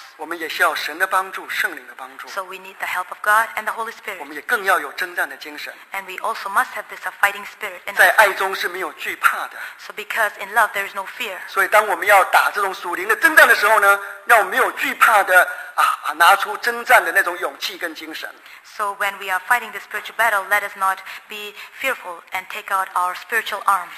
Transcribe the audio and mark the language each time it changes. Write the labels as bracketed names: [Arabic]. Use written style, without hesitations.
[Chinese] 我们也需要神的帮助，圣灵的帮助。 [English] So we need the help of God and the Holy Spirit. [Chinese] 我们也更要有征战的精神。 [English] And we also must have this fighting spirit. [Chinese] 在爱中是没有惧怕的。 [English] So because in love there is no fear. [Chinese] 所以当我们要打这种属灵的征战的时候呢，让我们没有惧怕的。啊、拿出征战的那种勇气跟精神。 [English] So when we are fighting the spiritual battle, let us not be fearful and take out our spiritual arms.